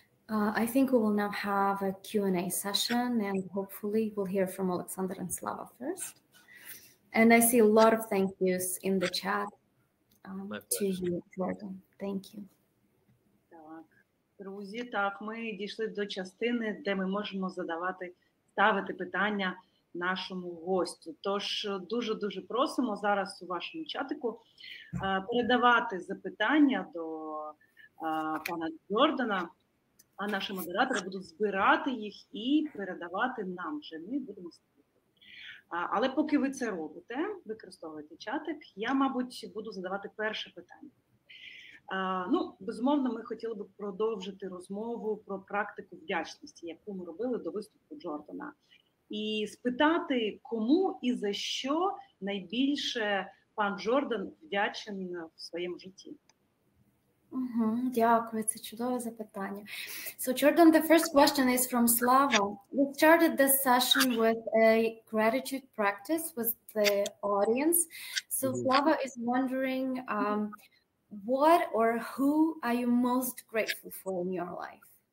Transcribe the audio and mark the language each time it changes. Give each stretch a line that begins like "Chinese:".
English: I think we will now have a Q&A session, and hopefully we'll hear from Alexander and Slava first. And I see a lot of thank yous in the chat to you, Jordan. Thank you.
Ukrainian: Друзі, так, ми дійшли до частини, де ми можемо ставити питання нашому гостю. Тож дуже-дуже просимо зараз у вашому чатику передавати запитання до пана Джордана, а наші модератори будуть збирати їх і передавати нам вже. Ми будемо ставити. Але поки ви це робите, використовуєте чатик, я, мабуть, буду задавати перше питання. Ну, безумовно, ми хотіли би продовжити розмову про практику вдячності, яку ми робили до виступу Джордана, і спитати, кому і за що найбільше пан Джордан вдячен в своєму житті. Угу, дякую, це чудове запитання.
English: So, Jordan, the first question is from Slava. We started this session with a gratitude practice with the audience. So, Slava is wondering, what or who are you most grateful for in your life?